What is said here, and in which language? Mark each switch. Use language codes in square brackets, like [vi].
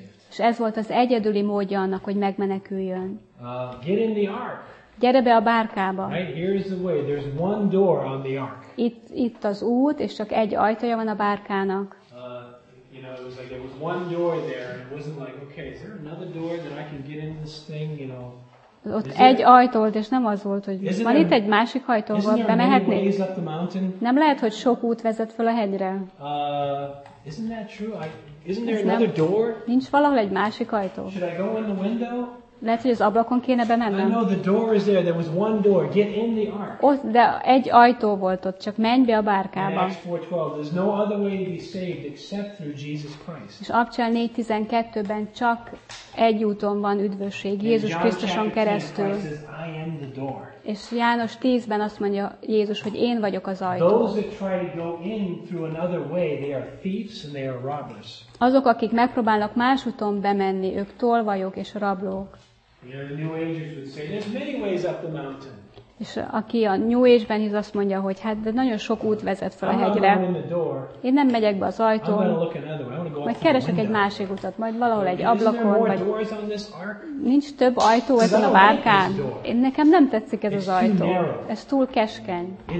[hu] És ez volt az egyedüli módja annak, hogy megmeneküljön. [en] Get in the ark. [hu] gyere be a bárkába. [en] Right, here's the way. There's one door on the ark. [hu] Itt az út, és csak egy ajtaja van a bárkának. [en] You know, it was like there was one door there, and it wasn't like, okay, is there another door that I can get in this thing, you know? [hu] Ott egy ajtó volt, és nem az volt, hogy van itt egy másik ajtó, ahol bemehetnék. Nem lehet, hogy sok út vezet föl a hegyre? [en] Isn't that true? Isn't there another door? [hu] Nincs valahol egy másik ajtó? [en] Should I go in the window? [hu] Lehet, hogy az ablakon kéne bemennem. [en] I know the door is there. There was one door. Get in the ark. [hu] Ott, de egy ajtó volt ott, csak menj be a bárkába. [en] Acts 4:12. There's no other way to be saved except through Jesus Christ. [hu] És Apcsel 4:12-ben csak egy úton van üdvösség, Jézus Krisztuson keresztül. [en] I am the door. [hu] És János 10-ben azt mondja Jézus, hogy én vagyok az ajtó. [en] Those that try to go in through another way, they are thieves and they are robbers. [hu] Azok, akik megpróbálnak más úton bemenni, ők tolvajok és rablók. [en] You know, the New Agers would say, there's many ways up the mountain. [hu] És aki a New Age-ben hisz, azt mondja, hogy hát de nagyon sok út vezet fel a hegyre. Én nem megyek be az ajtón, majd keresek egy másik utat, majd valahol egy ablakon, vagy nincs több ajtó ezen a bárkán. Én nekem nem tetszik ez az ajtó. Ez túl keskeny.